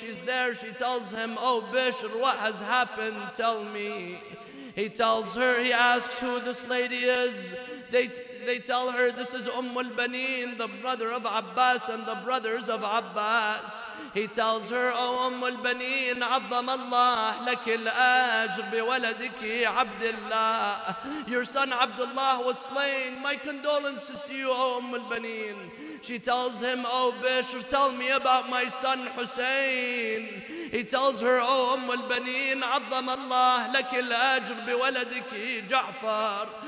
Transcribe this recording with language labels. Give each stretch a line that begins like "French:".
English: She's there, she tells him, oh Bishr, what has happened? Tell me. He tells her, he asks who this lady is. They tell her, this is Ummul Baneen, the brother of Abbas and the brothers of Abbas. He tells her, O Ummul Baneen,
Arabic: عظم الله لك الأجر بولدك عبد الله.
English: Your son Abdullah was slain. My condolences to you, O Ummul Baneen. She tells him, O Bishr, tell me about my son Hussein. He tells her, O Ummul Baneen,
Arabic: عظم الله لك الأجر بولدك جعفر.